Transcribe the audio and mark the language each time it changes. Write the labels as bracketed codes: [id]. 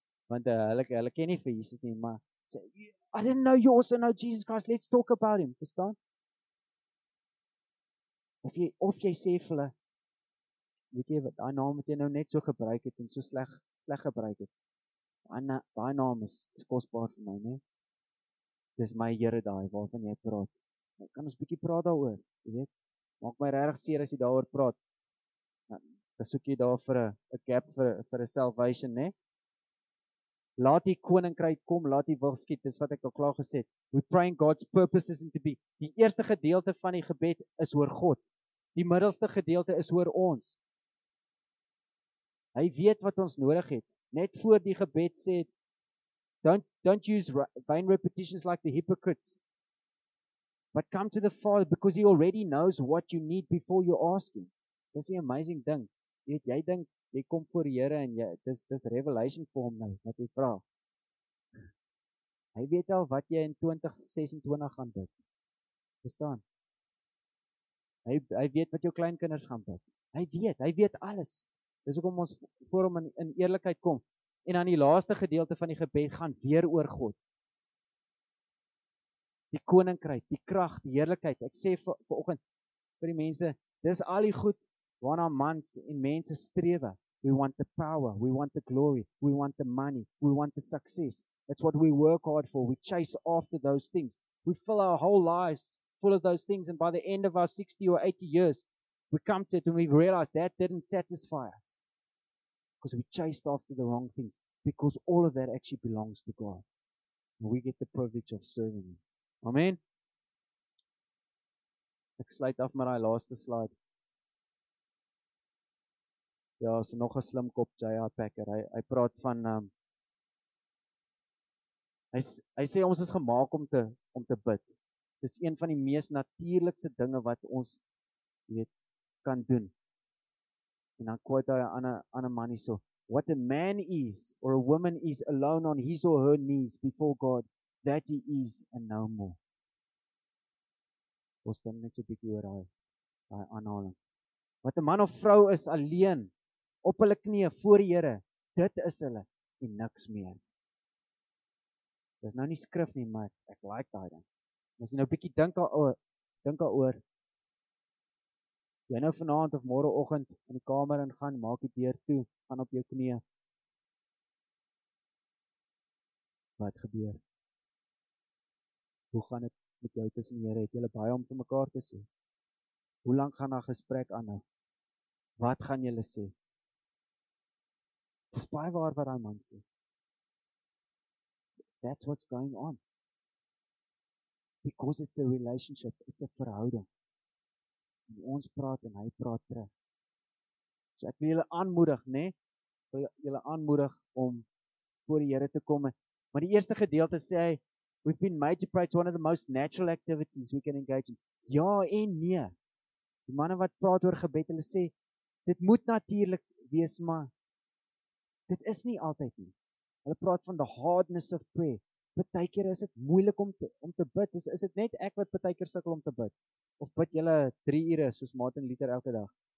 [af] Want hulle ken nie vir Jesus nie, maar sê, [en] I didn't know you also know Jesus Christ. Let's talk about him. [af] Verstaan? Of jy sê vir hulle, weet jy wat, daai naam wat jy nou net so gebruik het en so sleg gebruik het. Daai naam is kosbaar vir my, né? Dis my Here daai waarvan jy praat. Nou kan ons 'n bietjie praat daaroor, jy weet? Maak my regtig seer as jy daaroor praat. Dan soek jy daar vir 'n gap vir 'n salvation, né? Laat die koninkryk kom, laat die wil geskied, dis wat ek al klaar gesê het. [en] We praying God's purposes into be. [af] Die eerste gedeelte van die gebed is oor God. Die middelste gedeelte is oor ons. Hy weet wat ons nodig het. Net voor die gebed sê het, [en] don't use vain repetitions like the hypocrites. But come to the Father, because He already knows what you need before you ask Him. [af] Dis die amazing ding. Jy weet, jy dink, jy kom voor die Here en jy, dis revelation vir Hom nou, wat jy vra. Hy weet al wat jy in 2026 gaan bid. Verstaan? Hy weet wat jou kleinkinders gaan bid. Hy weet alles. Dis hoekom ons voor Hom in eerlikheid kom. En aan die laaste gedeelte van die gebed gaan weer oor God. Die koninkryk, die krag, die heerlikheid. Ek sê vanoggend vir die mense, dis al die goed waarna mans en mense strewe. [en] We want the power, we want the glory, we want the money, we want the success. That's what we work hard for. We chase after those things. We fill our whole lives full of those things, and by the end of our 60 or 80 years, we come to it and we realize that didn't satisfy us. Because we chased after the wrong things. Because all of that actually belongs to God. And we get the privilege of serving Him. Amen. [af] Ek sluit af met my laaste slide. Ja, is nog 'n slim kop, J.R. Packer. Hy praat van hy sê ons is gemaak om te bid. Dis een van die mees natuurlikste dinge wat ons weet kan doen. En dan quote hy 'n ander man hierso: [en] "What a man is or a woman is alone on his or her knees before God, that he is and no more." [af] Ons dan net so 'n bietjie oor daai aanhaling. Wat 'n man of vrou is alleen op hulle knieë voor die Here, dit is hulle en niks meer. Dis nou nie skrif nie, maar ek like daai ding. As jy nou 'n bietjie dink daaroor. Jy nou vanaand of môreoggend in die kamer ingaan, maak die deur toe, gaan op jou knieë. Wat gebeur? Hoe gaan dit met jou tussen die Here? Het julle baie om te mekaar te sê? Hoe lank gaan daai gesprek aanhou? Wat gaan julle sê? Dis baie waar wat daai man sê. [en] That's what's going on. Because it's a relationship, it's a verhouding. [af] En ons praat en hy praat terug. So ek wil julle aanmoedig, né? Wil julle aanmoedig om voor die Here te kom. Maar die eerste gedeelte sê hy, [en] we've been made to pray, it's one of the most natural activities we can engage in. [af] Ja en nee. Die manne wat praat oor gebed, hulle sê dit moet natuurlik wees, maar dit is nie altyd nie. Hulle praat van [en] the hardness of prayer. [af] Partykeer is dit moeilik om te bid. Is dit net ek wat partykeer sukkel om te bid? Of bid jy 3 ure soos Martin Luther elke dag?